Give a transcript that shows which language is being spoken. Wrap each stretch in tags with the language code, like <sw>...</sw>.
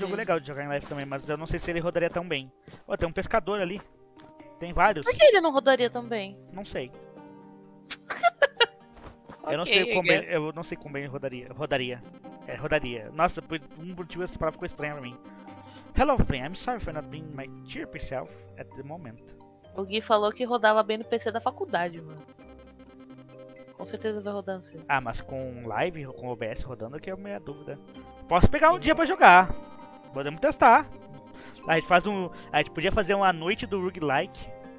<pt>Jogo legal de jogar em live também, mas eu não sei se ele rodaria tão bem. Ó, oh, tem um pescador ali. Tem vários. Por que ele não rodaria tão bem? Não sei. Eu não sei como ele, rodaria. É, rodaria. Nossa, por um motivo essa palavra ficou estranha pra mim.</pt> <en>Hello, friend. I'm sorry for not being my chirpy self at the moment.</en> <pt>O Gui falou que rodava bem no PC da faculdade, mano. Com certeza vai rodando sim. Ah, mas com live, com OBS rodando aqui é a minha dúvida. Posso pegar um dia pra jogar. Podemos testar. A gente faz um. A gente podia fazer uma noite do roguelike.</pt>